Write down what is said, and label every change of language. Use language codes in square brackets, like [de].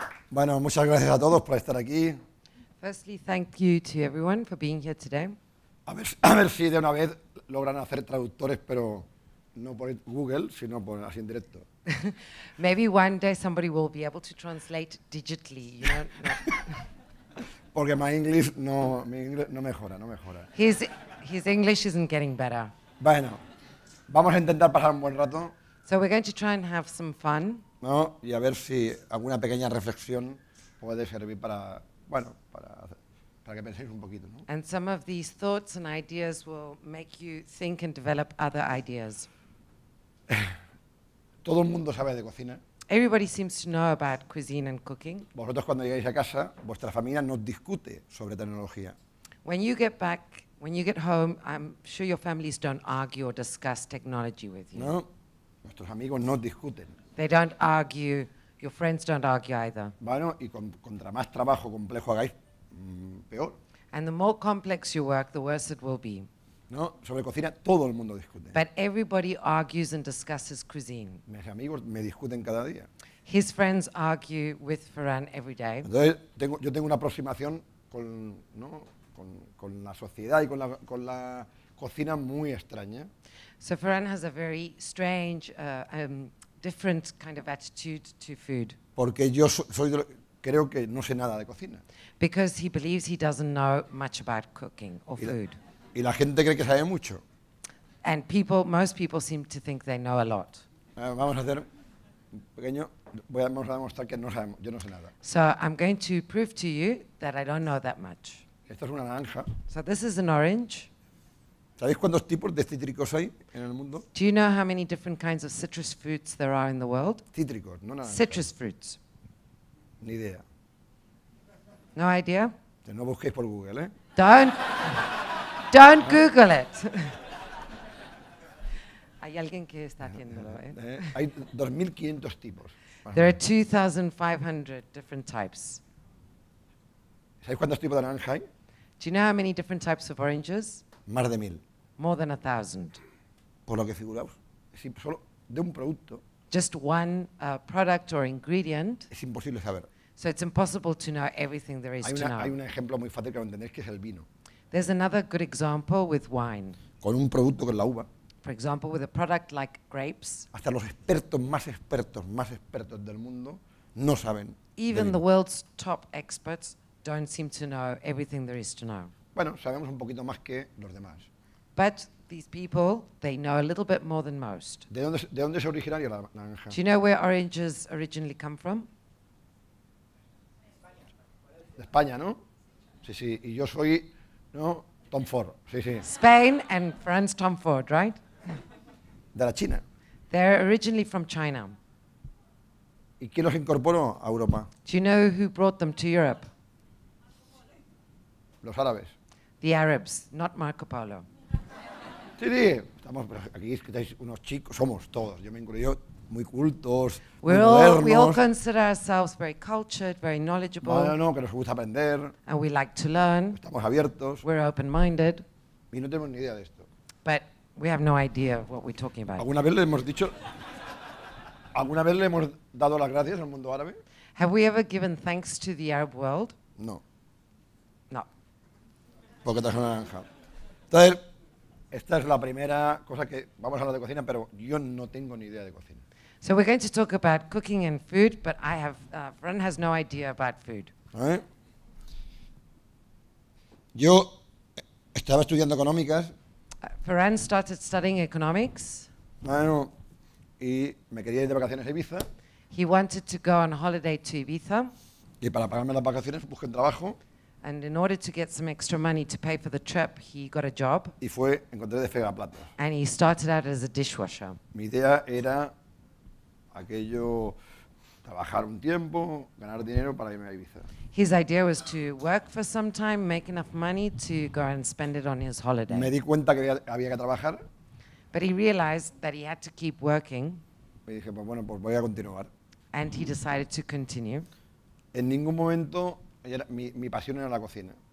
[es] Bueno, muchas gracias a todos por estar aquí. [en] Firstly, thank you to everyone for being here today. [es] A ver si de una vez logran hacer traductores, pero no por Google, sino por así en directo. [en] Maybe one day somebody will be able to translate digitally. You know? [es] Porque mi inglés no mejora. [en] His English isn't getting better. [es] Bueno, vamos a intentar pasar un buen rato. [en] So we're going to try and have some fun. [es] No, y a ver si alguna pequeña reflexión puede servir para, bueno, para que penséis un poquito, ¿no? [en] And some of these thoughts and ideas will make you think and develop other ideas. [es] Todo el mundo sabe de cocina. [en] Everybody seems to know about cuisine and cooking. [es] Vosotros cuando llegáis a casa, vuestra familia no discute sobre tecnología. [en] When you get home, I'm sure your families don't argue or discuss technology with you. [es] No, nuestros amigos no discuten. [en] They don't argue. Your friends don't argue either. [es] Bueno, y contra más trabajo complejo hagáis, peor. [en] And the more complex your work, the worse it will be. [es] No, sobre cocina todo el mundo discute. [en] But everybody argues and discusses cuisine. [es] Mis amigos me discuten cada día. [en] His friends argue with Ferran every day. [es] Entonces, yo tengo una aproximación con, ¿no? con la sociedad y con la cocina muy extraña. [en] So Ferran has a very strange, different kind of attitude to food. [es] Porque yo creo que no sé nada de cocina. [en] Because he believes he doesn't know much about cooking or food. [es] Y la gente cree que sabe mucho. [en] And most people seem to think they know a lot. [es] Vamos a hacer un pequeño, vamos a demostrar que no sabemos, yo no sé nada. [en] So I'm going to prove to you that I don't know that much. [es] Esta es una naranja. [en] So this is an orange. [es] ¿Sabéis cuántos tipos de cítricos hay en el mundo? [en] Do you know how many different kinds of citrus fruits there are in the world? [es] Cítricos, no nada. [en] Citrus fruits. [es] Ni idea. [en] No idea? [es] Que no busquéis por Google, ¿eh? [en] Don't Google it. [es] Hay alguien que está haciéndolo, ¿eh? Hay 2,500 tipos. [en] There are 2,500 different types. [es] ¿Sabéis cuántos tipos de naranja hay? [en] Do you know how many different types of oranges? [es] Más de 1,000. [en] More than 1,000. [es] Por lo que figuraos, si solo de un producto. [en] Just one product or ingredient. [es] Es imposible saber. [en] So it's impossible to know everything there is to know. [es] Hay un ejemplo muy fácil que lo entendéis, que es el vino. [en] There's another good example with wine. [es] Con un producto que es la uva. [en] For example, with a product like grapes. [es] Hasta los expertos más expertos del mundo no saben. [en] Even the world's top experts don't seem to know everything there is to know. [es] Bueno, sabemos un poquito más que los demás. [en] But these people, they know a little bit more than most. [es] ¿De dónde es originaria la naranja? [en] Do you know where oranges originally come from? [es] De España, ¿no? Sí, sí. Y yo soy, ¿no? Tom Ford. Sí, sí. [en] Spain and France, Tom Ford, right? [es] De la China. [en] They're originally from China. [es] ¿Y quién los incorporó a Europa? [en] Do you know who brought them to Europe? [es] Los árabes. [en] The Arabs, not Marco Polo. [es] Sí, sí. Estamos aquí, es que estáis unos chicos, somos todos. Yo me incluyo. Muy cultos, [en] we're [es] muy [en] all, [es] modernos. [en] We all consider ourselves very cultured, very knowledgeable. [es] No, no, que nos gusta aprender. [en] And we like to learn. [es] Estamos abiertos. [en] We're open-minded. [es] Y no tenemos ni idea de esto. [en] But we have no idea of what we're talking about. [es] ¿Alguna vez le hemos dicho? ¿Alguna vez le hemos dado las gracias al mundo árabe? [en] Have we ever given thanks to the Arab world? [es] No. [en] No. [es] Porque traje una naranja. Entonces, esta es la primera cosa que vamos a hablar de cocina, pero yo no tengo ni idea de cocina. [en] So we're going to talk about cooking and food, but I have, Ferran has no idea about food. [es] Yo estaba estudiando económicas. [en] Ferran started studying economics. [es] Bueno, y me quería ir de vacaciones a Ibiza. [en] He wanted to go on holiday to Ibiza. [es] Y para pagarme las vacaciones busqué un trabajo. [en] And in order to get some extra money to pay for the trip, he got a job. [es] Y fue, encontré de fregaplata. [en] And he started out as a dishwasher. [es] Mi idea era aquello, trabajar un tiempo, ganar dinero para irme a Ibiza. [en] His idea was to work for some time, make enough money to go and spend it on his holiday. [es] Me di cuenta que había que trabajar. [en] But he realized that he had to keep working. [es] Y dije, pues bueno, pues voy a continuar. [en] And he decided to continue. [es] En ningún momento, mi pasión era la cocina.